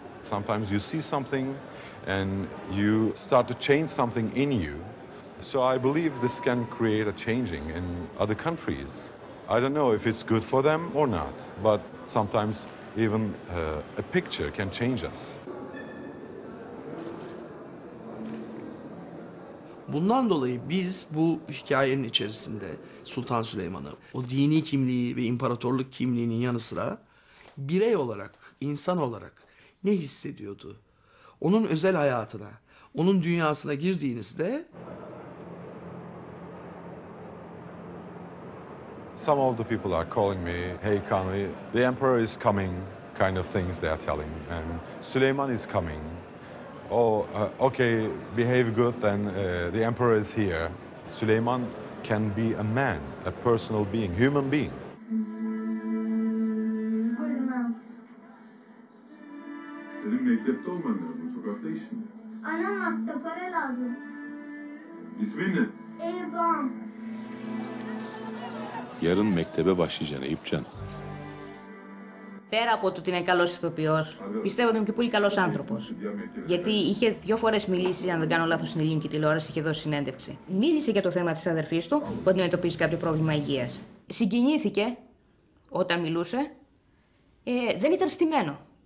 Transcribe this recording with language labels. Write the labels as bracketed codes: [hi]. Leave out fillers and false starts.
[en] Sometimes you see something and you start to change something in you. So I believe this can create a changing in other countries. I don't know if it's good for them or not, but sometimes even a picture can change us. [tr] Bundan dolayı biz bu hikayenin içerisinde Sultan Süleyman'ı, o dini kimliği ve imparatorluk kimliğinin yanı sıra birey olarak, insan olarak ne hissediyordu? Onun özel hayatına, onun dünyasına girdiğinizde... [en] Some of the people are calling me, hey Kanli, the emperor is coming kind of things they are telling and Süleyman is coming. Oh, okay, behave good, then the emperor is here. Süleyman can be a man, a personal being, human being. [tr] Senin mektepte olman lazım, sokakta işin. Anam hasta, para lazım. İsmin ne? Eyvam. Yarın mektebe başlayacaksın, Eyüpcan. [el] Πέρα από το ότι είναι καλός ηθοποιός, πιστεύω ότι είναι και πολύ καλός άνθρωπος. Γιατί είχε δύο φορές μιλήσει, αν δεν κάνω λάθος, στην ελληνική τηλεόραση, είχε δώσει συνέντευξη. Μίλησε για το θέμα της αδερφής του, που αντιμετωπίζει κάποιο πρόβλημα υγείας. Συγκινήθηκε όταν μιλούσε. Δεν ήταν στημένο.